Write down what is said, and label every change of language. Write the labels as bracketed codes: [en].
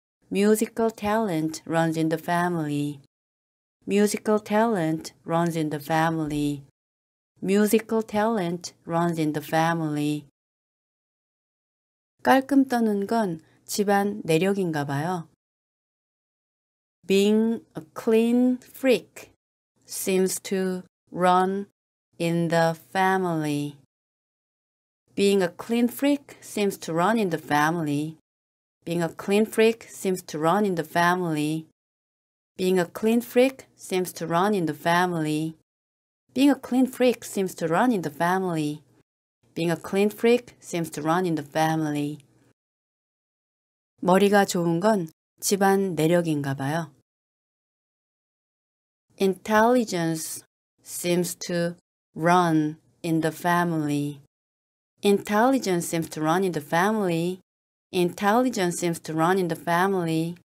[en] Musical talent runs in the family. Musical talent runs in the family. Musical talent runs in the family. [ko] 깔끔 떠는 건 집안 내력인가 봐요. [en] Being a clean freak seems to run in the family. Being a clean freak seems to run in the family. Being a clean freak seems to run in the family. Being a clean freak seems to run in the family. Being a clean freak seems to run in the family. Being a clean freak seems to run in the family. [ko] 머리가 좋은 건 집안 내력인가 봐요. [en] Intelligence seems to run in the family. Intelligence seems to run in the family. Intelligence seems to run in the family.